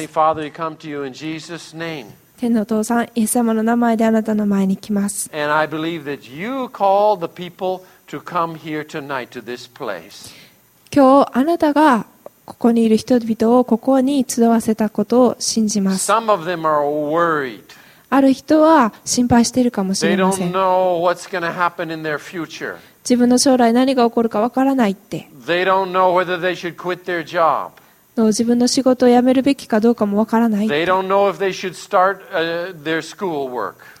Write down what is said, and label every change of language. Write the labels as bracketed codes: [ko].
[en] Heavenly Father, we come to you in Jesus' name. [ja] 天のお父さん、イエス様の名前であなたの前に来ます。 [en] And I believe that you call the people to come here tonight to this place. [ja] 今日あなたがここにいる人々をここに集わせたことを信じます。 [en] Some of them are worried. [ja] ある人は心配しているかもしれません。 [en] They don't know what's going to happen in their future. [ja] 自分の将来何が起こるかわからないって。 [en] They don't know whether they should quit their job. [ja] 自分の仕事を辞めるべきかどうかもわからない。 [en] They don't know if they should start their school work.